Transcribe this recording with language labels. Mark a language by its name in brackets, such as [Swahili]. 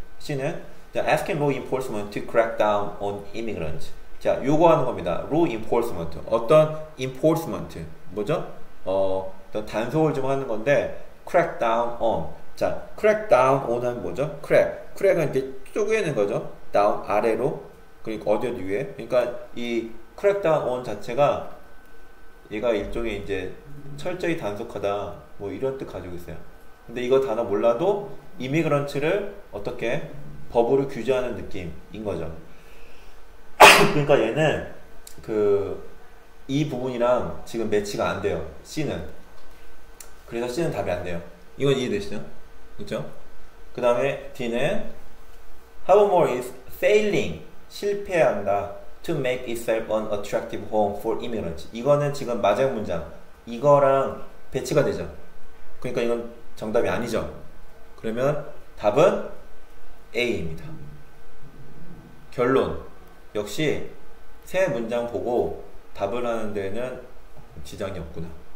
[English] C는 자, asking law enforcement to crack down on immigrants. [Korean] 자, 요구하는 겁니다. Law enforcement. 어떤 enforcement. 뭐죠? 단속을 좀 하는 건데, crack down on. 자, crack down on은 뭐죠? [English] crack. [Korean] crack은 이제 쪼개는 거죠. down 아래로. 그리고 어디어디 위에. 그러니까 이 crack down on 자체가 얘가 일종의 이제 철저히 단속하다. 뭐 이런 뜻 가지고 있어요. 근데 이거 단어 몰라도 이미그런트를 어떻게 법으로 규제하는 느낌인 거죠. 그러니까 얘는 그이 부분이랑 지금 매치가 안 돼요. C는. 그래서 C는 답이 안 돼요. 이건 이해되시죠? 그렇죠? 그 다음에 D는 [English] How more is failing [Korean] 실패한다 [English] to make itself an attractive home for immigrants. [Korean] 이거는 지금 마지막 문장. 이거랑 배치가 되죠. 그러니까 이건 정답이 아니죠. 그러면 답은 A입니다. 결론. 역시 새 문장 보고 답을 하는 데에는 지장이 없구나.